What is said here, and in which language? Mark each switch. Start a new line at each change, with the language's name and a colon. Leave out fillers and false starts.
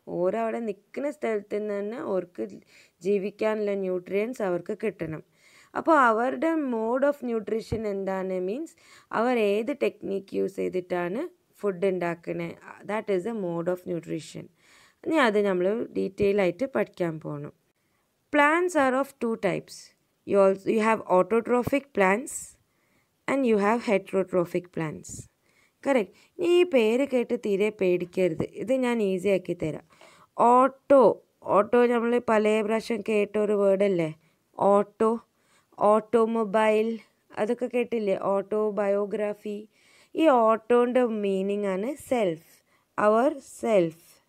Malayalam: ഓരവിടെ നിൽക്കുന്ന സ്ഥലത്ത് തന്നെ അവർക്ക് ജീവിക്കാനുള്ള ന്യൂട്രിയൻസ് അവർക്ക് കിട്ടണം. അപ്പോൾ അവരുടെ മോഡ് ഓഫ് ന്യൂട്രിഷൻ എന്താണ്? മീൻസ് അവർ ഏത് ടെക്നീക്ക് യൂസ് ചെയ്തിട്ടാണ് ഫുഡ് ഉണ്ടാക്കുന്നത്?
English: That is a mode of nutrition.
Malayalam: ഇനി അത് നമ്മൾ ഡീറ്റെയിൽ ആയിട്ട് പഠിക്കാൻ പോകണം.
English: Plants are of two types. You have autotrophic plants and you have heterotrophic plants.
Malayalam: Correct. ഈ പേര് കേട്ട് തീരെ പേടിക്കരുത്. ഇത് ഞാൻ ഈസി ആക്കി തരാം. ഓട്ടോ, ഓട്ടോ നമ്മൾ പല പ്രാവശ്യം കേട്ട ഒരു വേർഡല്ലേ. ഓട്ടോ, ഓട്ടോമൊബൈൽ, അതൊക്കെ കേട്ടില്ലേ. Auto biography. ഈ ഓട്ടോൻ്റെ മീനിങ് ആണ് സെൽഫ്, അവർ സെൽഫ്.